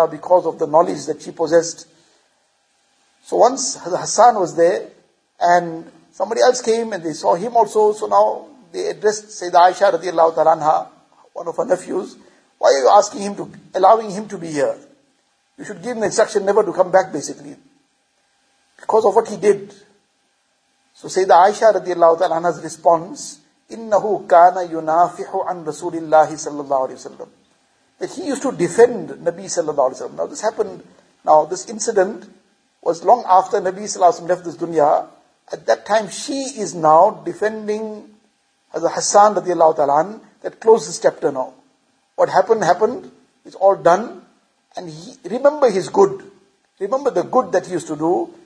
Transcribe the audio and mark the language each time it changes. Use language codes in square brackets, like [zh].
[en] because of the knowledge that she possessed. So once Hassan was there and somebody else came and they saw him also. So now they addressed Sayyidah Aisha radiallahu ta'ala anha, one of her nephews. Why are you asking him to, allowing him to be here? You should give him the instruction never to come back basically. Because of what he did. [ar] So Sayyidah Aisha radiallahu ta'ala anha's response, إِنَّهُ كَانَ يُنَافِحُ عَنْ رَسُولِ اللَّهِ صَلَّى اللَّهُ عَلَيْهِ وَسَلَّمُ. [en] That he used to defend Nabi sallallahu alayhi wa sallam. Now this happened, now this incident was long after Nabi sallallahu alayhi wa sallam left this dunya. At that time she is now defending Hassan radiallahu ta'ala anha, that closed this chapter now. What happened, happened, it's all done. And he, remember his good, remember the good that he used to do.